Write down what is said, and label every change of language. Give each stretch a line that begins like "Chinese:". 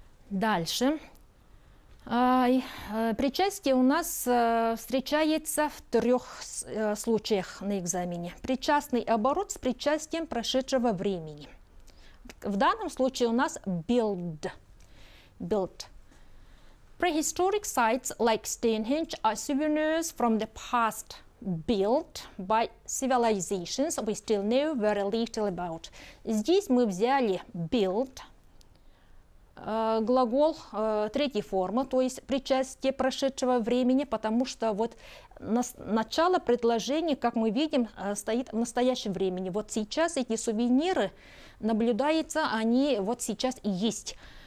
Russian: Дальше. Причастие у нас встречается в трех случаях на экзамене. Причастный оборот с причастием прошедшего времени. В данном случае у нас build.
English: Built. Prehistoric sites like Stonehenge are souvenirs from the past built by civilizations we still know very little about.
Russian: Здесь мы взяли build, глагол третьей формы, то есть причастие прошедшего времени, потому что вот начало предложения, как мы видим, стоит в настоящем времени. Вот сейчас эти сувениры наблюдаются, они вот сейчас и есть.